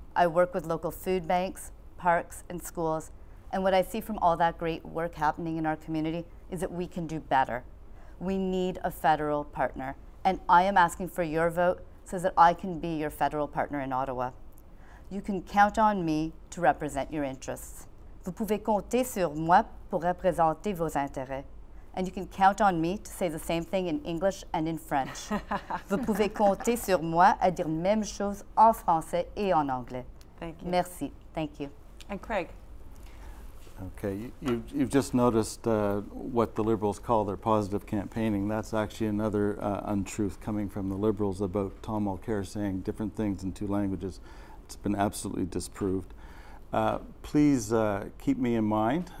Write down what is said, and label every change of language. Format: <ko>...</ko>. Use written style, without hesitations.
<en>I work with local food banks, parks, and schools, and what I see from all that great work happening in our community is that we can do better. We need a federal partner, and I am asking for your vote so that I can be your federal partner in Ottawa. You can count on me to represent your interests.</en> <fr>Vous pouvez compter sur moi pour représenter vos intérêts.</fr> <en>And you can count on me to say the same thing in English and in French.</en> <fr>Vous pouvez compter sur moi à dire la même chose en français et en anglais.</fr> <en>Thank you. Merci. Thank you. And Craig. Okay, you've just noticed what the Liberals call their positive campaigning. That's actually another untruth coming from the Liberals about Tom Mulcair saying different things in two languages. It's been absolutely disproved. Please keep me in mind.</en>